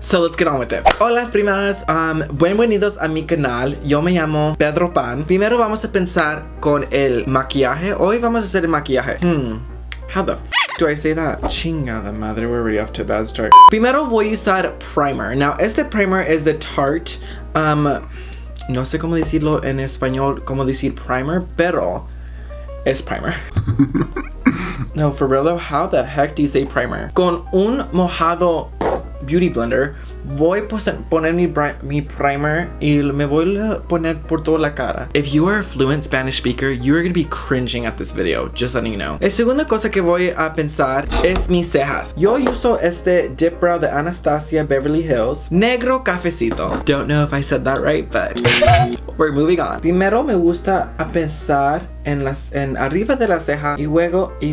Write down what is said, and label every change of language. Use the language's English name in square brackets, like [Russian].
[English] So let's get on with it. [Spanish] Hola, primas. Bienvenidos a mi canal. Yo me llamo Pedro Pan. Primero vamos a pensar con el maquillaje. Hoy vamos a hacer el maquillaje. [English] How the f*** do I say that? [Spanish] Chingada madre, [English] we're already off to a bad start. [Spanish] Primero voy a usar primer. Now, este primer is the Tarte. No sé cómo decirlo en español, cómo decir primer, pero es primer. [English] No, for real though, how the heck do you say primer? [Spanish] Con un mojado beauty blender, voy a poner mi primer y me voy a poner por toda la cara. [English] If you are a fluent Spanish speaker, you are going to be cringing at this video, just letting you know. [Spanish] La segunda cosa que voy a pensar es mis cejas. Yo uso este dip brow de Anastasia Beverly Hills, negro cafecito. [English] Don't know if I said that right, but we're moving on. [Spanish] Primero me gusta a pensar en arriba de la ceja y luego.